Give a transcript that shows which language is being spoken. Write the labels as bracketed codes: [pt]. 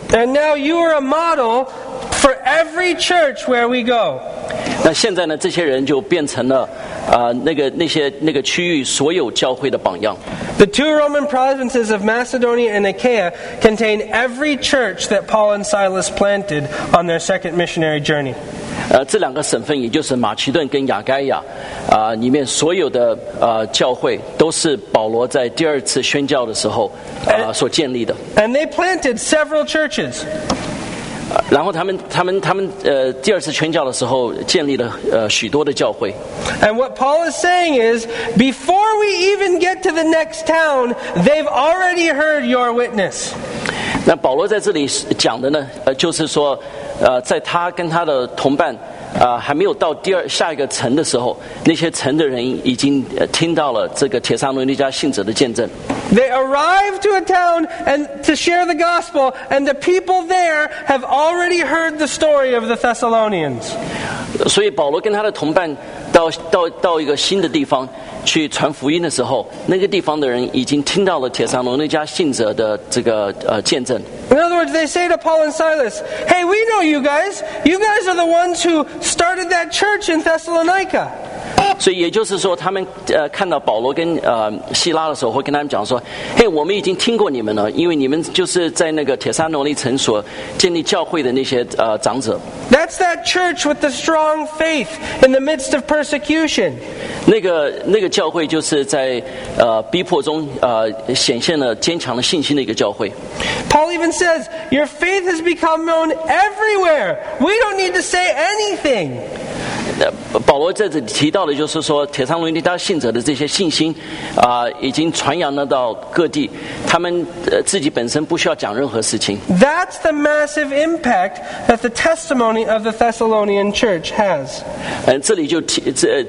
[en] And now you are a model for every church where we go. [zh] 那现在呢，这些人就变成了那个区域所有教会的榜样。 [en] The two Roman provinces of Macedonia and Achaia contain every church that Paul and Silas planted on their second missionary journey. [zh] 这两个省份，也就是马其顿跟亚该亚，里面所有的教会都是保罗在第二次宣教的时候所建立的。 [en] And they planted several churches. [zh] 然后他们第二次宣教的时候建立了许多的教会。 [en] And what Paul is saying is, before we even get to the next town, they've already heard your witness. [zh] 那保罗在这里讲的呢，就是说，在他跟他的同伴还没有到第二下一个城的时候，那些城的人已经听到了这个帖撒罗尼迦信者的见证。 [en] They arrive to a town and to share the gospel, and the people there have already heard the story of the Thessalonians. [zh] 所以保罗跟他的同伴到一个新的地方去传福音的时候，那个地方的人已经听到了帖撒罗尼迦信者的这个见证。 [en] In other words, they say to Paul and Silas, "Hey, we know you guys. You guys are the ones who started that church in Thessalonica." [zh] 所以也就是说，他们看到保罗跟希拉的时候，会跟他们讲说：“嘿，我们已经听过你们了，因为你们就是在那个帖撒罗尼城所建立教会的那些长者。” [en] That's that church with the strong faith in the midst of persecution. [zh] 那个教会就是在逼迫中显现了坚强的信心的一个教会。 [en] Paul even says, "Your faith has become known everywhere. We don't need to say anything." [zh] 保罗在这里提到的就是说，帖撒罗尼迦信者的这些信心已经传扬了到各地，他们自己本身不需要讲任何事情。 [en] That's the massive impact that the testimony of the Thessalonian church has.